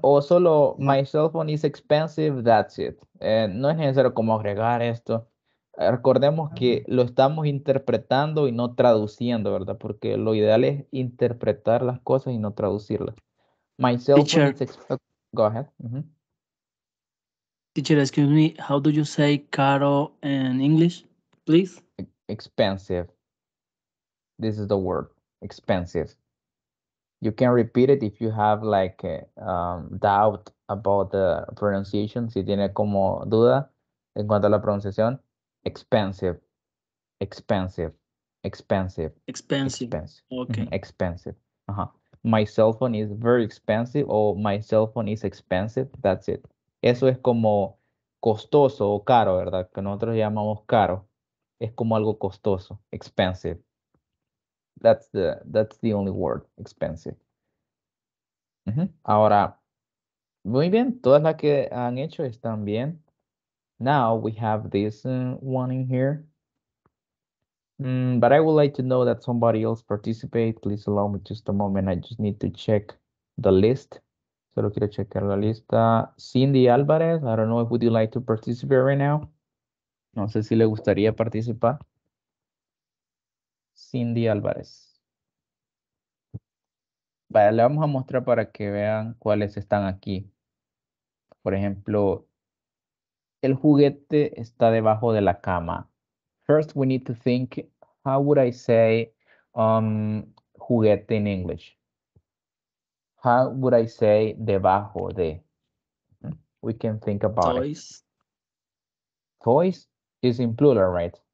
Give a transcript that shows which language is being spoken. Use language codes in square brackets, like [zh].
[es] O solo [en] my cell phone is expensive, that's it. [es] No es necesario como agregar esto. Recordemos que lo estamos interpretando y no traduciendo, ¿verdad? Porque lo ideal es interpretar las cosas y no traducirlas. [en] My cell phone is expensive. Go ahead. Mm-hmm. Teacher, excuse me, how do you say caro in English, please? Expensive. This is the word, expensive. You can repeat it if you have like doubt about the pronunciation. [es] Si tiene como duda en cuanto a la pronunciación. [en] Expensive. Expensive. Expensive. Expensive. Expensive. Okay. Mm-hmm. Expensive. Uh-huh. My cell phone is very expensive or my cell phone is expensive. That's it. [es] Eso es como costoso o caro, ¿verdad? Que nosotros llamamos caro. Es como algo costoso. Expensive. [en] That's the only word, expensive. [es] Uh-huh. Ahora, muy bien, todas las que han hecho están bien. [en] Now we have this one in here. But I would like to know that somebody else participate. Please allow me just a moment. I just need to check the list. [es] Solo quiero checar la lista. [en] Cindy Alvarez, I don't know if would you like to participate right now. [es] No sé si le gustaría participar. Cindy Álvarez. Vale, le vamos a mostrar para que vean cuáles están aquí. Por ejemplo, el juguete está debajo de la cama. [en] First, we need to think, how would I say juguete in English? How would I say debajo de? We can think about toys. It. Toys is in plural, right?